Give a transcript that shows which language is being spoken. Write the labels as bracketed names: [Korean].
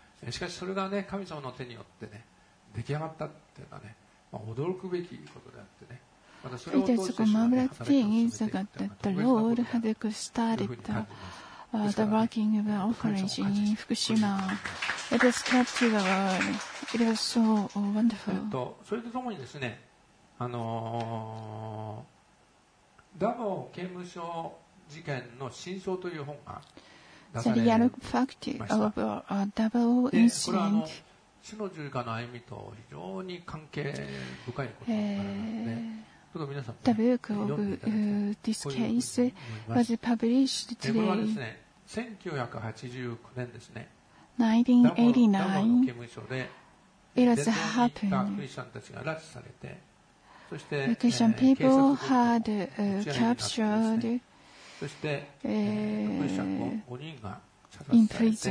[Japanese] しかしそれがね、神様の手によってね、出来上がったっていうのはね。 [English] It is a marvelous thing that the Lord had started the working of the orphanage in Fukushima. It is captured the world. It was so wonderful. [Japanese] それとともにですね、ダボ刑務所事件の真相という本が出されました。 [English] The real fact of a double incident. [Japanese] 主の十字架の歩みと非常に関係深いことになるので、ちょっと皆さん、 [English] The book of this case was published today. [Japanese] これはですね、1989年ですね。 [English] 1989. It has happened. [Japanese] クリスチャンたちが拉致されて、そして、 [English] Christian people had captured. [Japanese] そして、クリスチャン5人が射殺され